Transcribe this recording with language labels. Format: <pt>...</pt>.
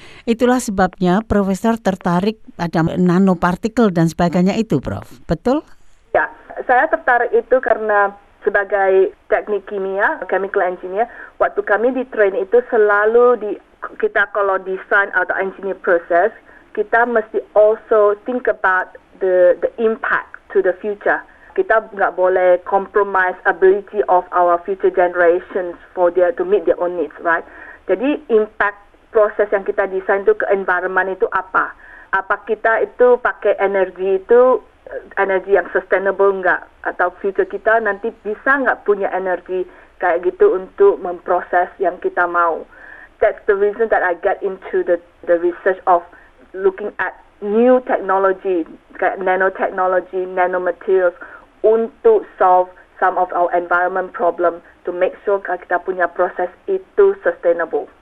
<id>Itulah sebabnya Profesor tertarik pada nanopartikel dan sebagainya itu, Prof. Betul? Ya, saya tertarik itu karena sebagai teknik kimia, chemical engineer, waktu kami di train itu selalu di...</id> <en>Kita kalau design atau engineer process,</en> <id>kita mesti</id> <en>also think about the impact to the future.</en> <id>Kita nggak boleh</id> <en>compromise ability of our future generations for their to meet their own needs, right?</en> <id>Jadi impact process yang kita design itu ke environment itu apa? Apa kita itu pakai energi itu energi yang sustainable nggak? Atau future kita nanti bisa nggak punya energi kayak gitu untuk memproses yang kita mau?</id> <en>That's the reason that I get into the research of looking at new technology, nanotechnology, nanomaterials untuk solve some of our environment problem to make sure</en> <id>kita punya proses itu</id> <en>sustainable.</en>